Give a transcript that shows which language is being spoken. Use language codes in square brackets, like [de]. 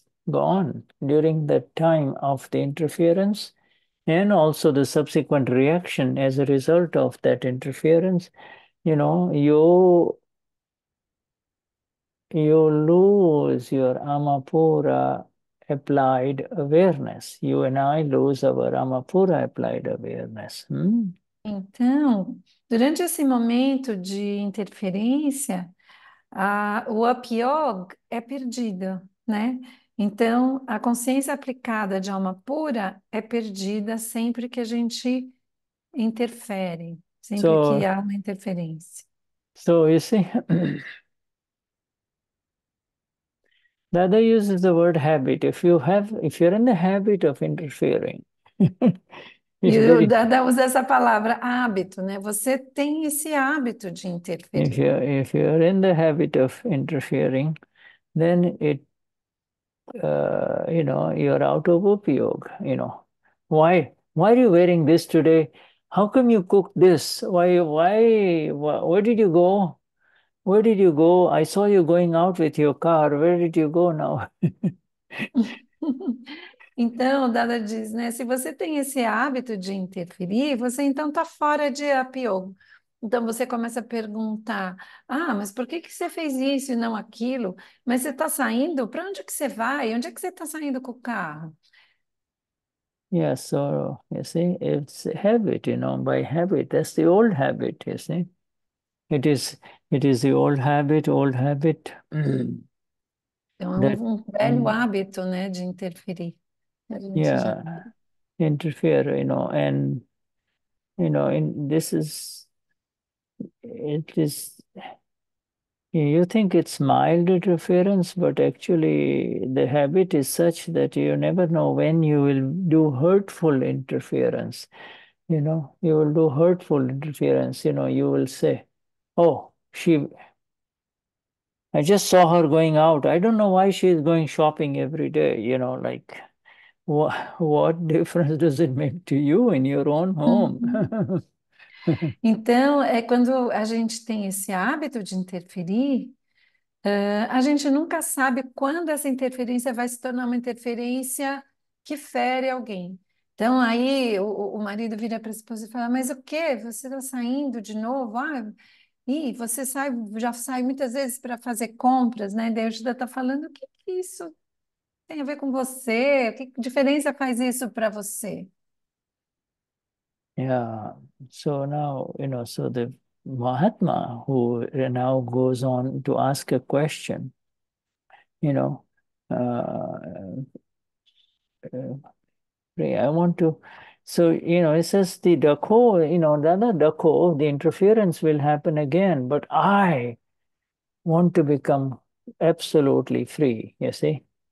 [en] gone during the time of the interference, and also the subsequent reaction as a result of that interference, you know, you lose your Amapura applied awareness. You and I lose our Amapura applied awareness. [pt] Então, durante esse momento de interferência, o apyog é perdido, né? Então, a consciência aplicada de alma pura é perdida sempre que a gente interfere, sempre que há uma interferência. [en] So you see, Dada uses the word habit. If you're in the habit of interfering, [pt] E o Dada usa essa palavra hábito, né? Você tem esse hábito de interferir. [en] If you're in the habit of interfering, then it, you know, you're out of upyog, you know. Why are you wearing this today? How come you cook this? Where did you go? Where did you go? I saw you going out with your car. Where did you go now? [pt] Então, Dada diz, né? Se você tem esse hábito de interferir, você então está fora de apyog. Então, você começa a perguntar, ah, mas por que que você fez isso e não aquilo? Mas você está saindo? Para onde que você vai? Onde é que você está saindo com o carro? [en] Yes, yeah, so you see, it's habit, you know, by habit, that's the old habit, you see. It is the old habit. [pt] Então, um velho hábito, né, de interferir. [en] Interfere, you know, and, you know, in this is, it is, you think it's mild interference, but actually the habit is such that you never know when you will do hurtful interference. You know, you will do hurtful interference. You know, you will say, oh, I just saw her going out. I don't know why she is going shopping every day. You know, like, what difference does it make to you in your own home? [pt] Então, é quando a gente tem esse hábito de interferir, a gente nunca sabe quando essa interferência vai se tornar uma interferência que fere alguém. Então, aí o marido vira para a esposa e fala: Mas o quê? Você está saindo de novo? Ah, e você sai, já sai muitas vezes para fazer compras, né? Daí a Judá está falando: O que que isso tem a ver com você? O que diferença faz isso para você? [en] Yeah, so now, you know, so the Mahatma who now goes on to ask a question, you know, I want to, so, you know, it says the dako, you know, Dada dako, the interference will happen again, but I want to become absolutely free, you see.